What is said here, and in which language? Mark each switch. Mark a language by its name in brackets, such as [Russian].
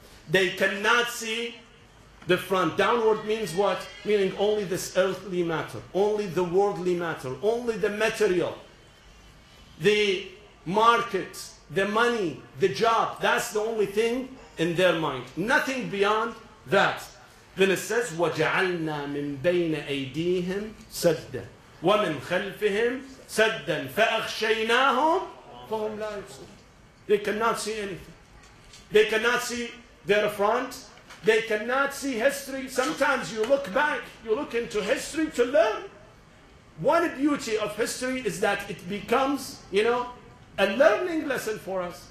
[English] They cannot see the front. Downward means what? Meaning only this earthly matter, only the worldly matter, only the material, the market, the money, the job. That's the only thing in their mind. Nothing beyond that. Then it says, [Arabic] وَجَعَلْنَا مِنْ بَيْنَ أَيْدِيهِمْ سَدًّا وَمِنْ خَلْفِهِمْ سَدًّا فَأَخْشَيْنَاهُمْ فَهُمْ لَا يُبْصِرُونَ. [English] They cannot see anything. They cannot see their front. They cannot see history. Sometimes you look back, you look into history to learn. One beauty of history is that it becomes, you know, a learning lesson for us.